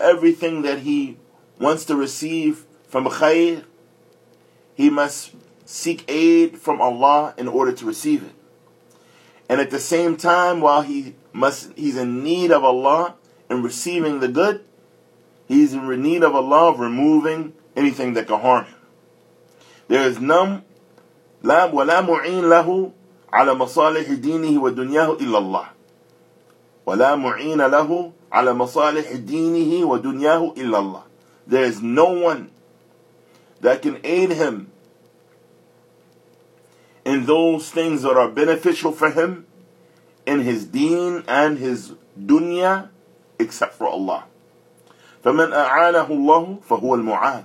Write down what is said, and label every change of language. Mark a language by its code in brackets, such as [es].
[en] Everything that he wants to receive from khayr, he must seek aid from Allah in order to receive it. And at the same time, while he's in need of Allah in receiving the good, he's in need of Allah of removing anything that can harm him. There is none [ar] وَلَا مُعِينَ لَهُ عَلَى مَصَالِحِ دِينِهِ وَدُنْيَاهُ إِلَّا اللَّهُ وَلَا مُعِينَ لَهُ عَلَى مَصَالِحِ دِينِهِ وَدُنْيَاهُ إِلَّا اللَّهُ. [en] There is no one that can aid him in those things that are beneficial for him in his deen and his dunya except for Allah. [ar] فَمَنْ أَعَانَهُ اللَّهُ فَهُوَ الْمُعَانِ.